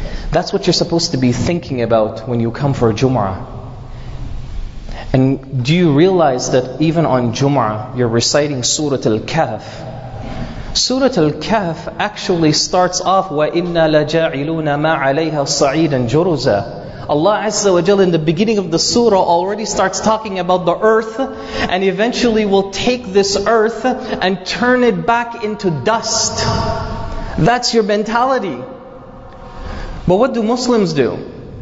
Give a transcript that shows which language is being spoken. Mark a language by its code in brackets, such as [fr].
[en] That's what you're supposed to be thinking about when you come for Jumu'ah. And do you realize that even on Jumu'ah, you're reciting Surah Al-Kahf? Surah Al-Kahf actually starts off, [ar] وَإِنَّا لَجَاعِلُونَ مَا عَلَيْهَا صَعِيدًا جُرُزًا. [en] Allah Azza wa Jalla in the beginning of the surah already starts talking about the earth, and eventually will take this earth and turn it back into dust. That's your mentality. But what do Muslims do?